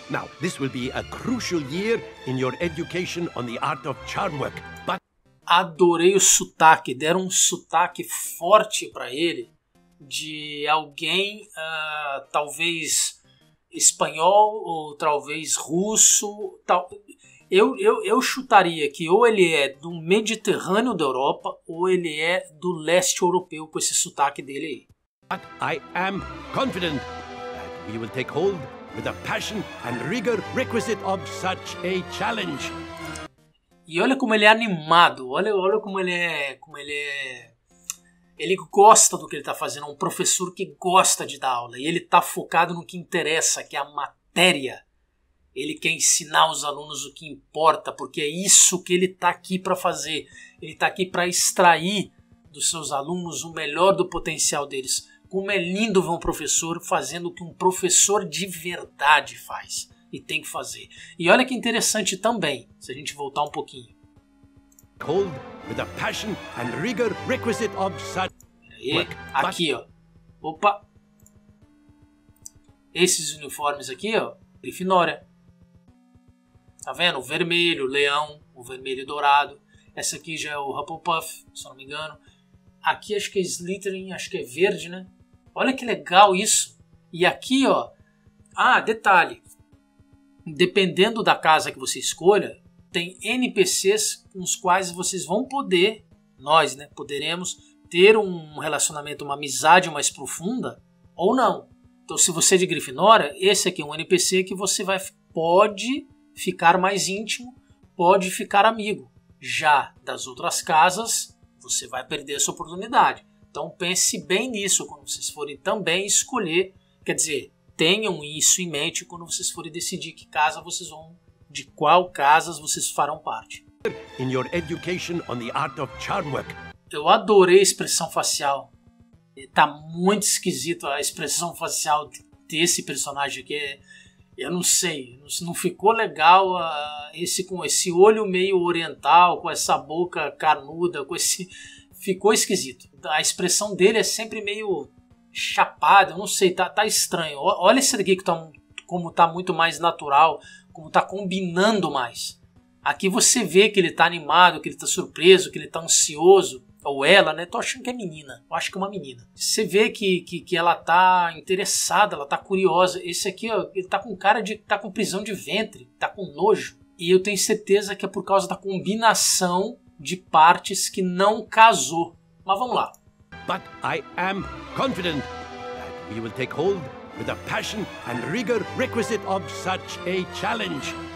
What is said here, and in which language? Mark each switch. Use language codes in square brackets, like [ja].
[en] Now, this will be a crucial year in your education on the art of charm work. But... [pt] Adorei o sotaque, deram um sotaque forte para ele, de alguém, talvez espanhol ou talvez russo. Tal. Eu chutaria que ou ele é do Mediterrâneo da Europa ou ele é do leste europeu com esse sotaque dele aí. [en] But I am confident that we will take hold with the passion and rigor requisite of such a challenge. [pt] E olha como ele é animado, olha como ele é, ele gosta do que ele está fazendo, é um professor que gosta de dar aula, e ele está focado no que interessa, que é a matéria. Ele quer ensinar os alunos o que importa, porque é isso que ele está aqui para fazer. Ele está aqui para extrair dos seus alunos o melhor do potencial deles. Como é lindo ver um professor fazendo o que um professor de verdade faz e tem que fazer. E olha que interessante também, se a gente voltar um pouquinho. [en] Hold with a passion and rigor requisite of such work. [pt] Aqui, ó. Opa. Esses uniformes aqui, ó. Grifinória. Tá vendo? O vermelho, o leão, o vermelho e dourado. Essa aqui já é o Hufflepuff, se eu não me engano. Aqui acho que é Slytherin, acho que é verde, né? Olha que legal isso. E aqui, ó. Ah, detalhe. Dependendo da casa que você escolha, tem NPCs com os quais vocês vão poder, nós, né, poderemos ter um relacionamento, uma amizade mais profunda ou não. Então, se você é de Grifinória, esse aqui é um NPC que você vai, pode ficar mais íntimo, pode ficar amigo. Já das outras casas, você vai perder essa oportunidade. Então, pense bem nisso quando vocês forem também escolher. Quer dizer, tenham isso em mente quando vocês forem decidir que casa vocês vão, de qual casas vocês farão parte. [en] In your education on the art of charm work. [pt] Eu adorei a expressão facial. Tá muito esquisito a expressão facial desse personagem aqui. Eu não sei, não ficou legal esse olho meio oriental, com essa boca canuda, com esse... Ficou esquisito. A expressão dele é sempre meio chapada, eu não sei, tá estranho. Olha esse daqui, como tá muito mais natural, como tá combinando mais. Aqui você vê que ele tá animado, que ele tá surpreso, que ele tá ansioso. Ou ela, né? Tô achando que é menina. Eu acho que é uma menina. Você vê que ela tá interessada, ela tá curiosa. Esse aqui, ó, ele tá com cara de... Tá com prisão de ventre, tá com nojo. E eu tenho certeza que é por causa da combinação de partes que não casou. Mas vamos lá. [en] But I am confident that we will take hold with the passion and rigor requisite of such a challenge.